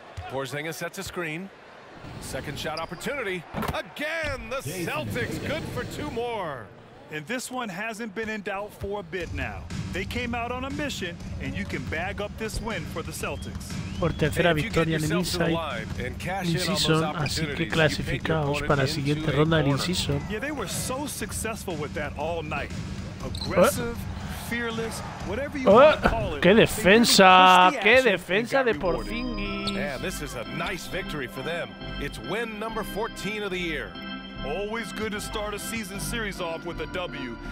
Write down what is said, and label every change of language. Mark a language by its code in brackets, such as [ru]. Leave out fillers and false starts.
[en] Porzingis sets a screen. Second shot opportunity. Again, the Celtics good for two more. And this one hasn't been in doubt for a bit now. They came out on a mission, and you can bag up this win for the Celtics. [es] Por tercera victoria en el Inside In-Season, así que clasificados para la siguiente ronda del In-Season. [en] Yeah, they were so successful with that all night. Aggressive, fearless, whatever you want to call it. [es] ¡Qué defensa! ¡Qué defensa de Porzingis! [en] Man, this is a nice victory for them. It's win number 14 of the year. Always good to start a season series off with a W.